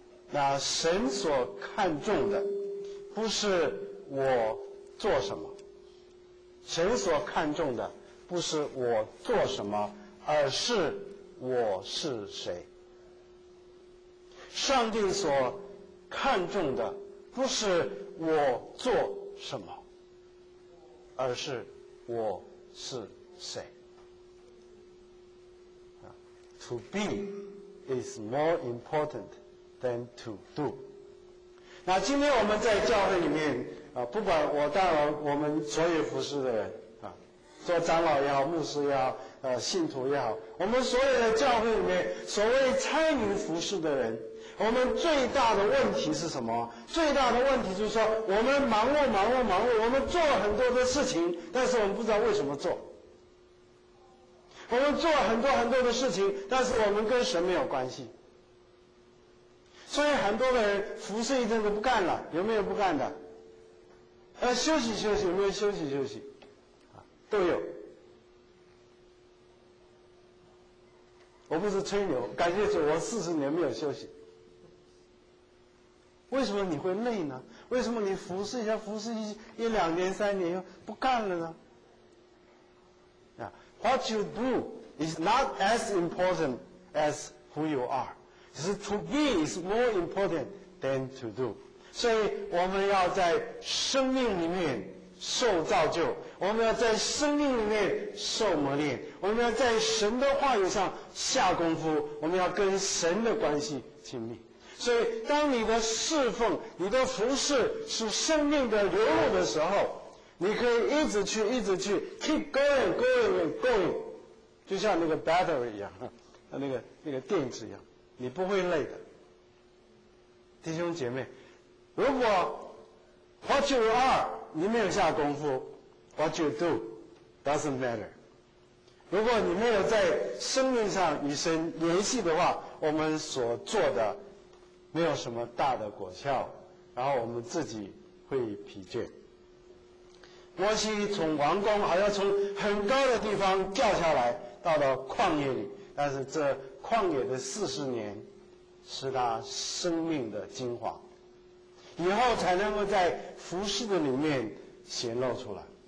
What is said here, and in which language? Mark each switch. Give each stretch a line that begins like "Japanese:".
Chinese: 那神所看重的不是我做什么，神所看重的不是我做什么，而是我是谁。上帝所看重的不是我做什么，而是我是谁。
English: To be is more important than to do。
Chinese: 那今天我们在教会里面不管我带我们所有服侍的人做长老也好，牧师也好，信徒也好，我们所有的教会里面所谓参与服侍的人，我们最大的问题是什么？最大的问题就是说，我们忙碌忙碌忙碌，我们做了很多的事情，但是我们不知道为什么做。我们做了很多很多的事情，但是我们跟神没有关系。所以很多的人服侍一阵子不干了，有没有不干的？休息休息，有没有休息休息？都有。我不是吹牛，感谢主，我40年没有休息。为什么你会累呢？为什么你服侍一下，服侍一两年三年又不干了呢？
English: What you do is not as important as who you are. To be is more important than to do.
Chinese: 所以我们要在生命里面受造就，我们要在生命里面受磨练，我们要在神的话语上下功夫，我们要跟神的关系亲密。所以当你的侍奉，你的服侍是生命的流露的时候，你可以一直去一直去
English: keep going going going，
Chinese: 就像那个 battery 一样，那个电池一样，你不会累的。
English: 弟兄姐妹，
Chinese: 如果
English: what you are
Chinese: 你没有下功夫
English: ，what you do doesn't matter。
Chinese: 如果你没有在生命上与神联系的话，我们所做的没有什么大的果效，然后我们自己会疲倦。摩西从王宫好像从很高的地方掉下来，到了旷野里，但是这旷野的40年是他生命的精华，以后才能够在服事的里面显露出来。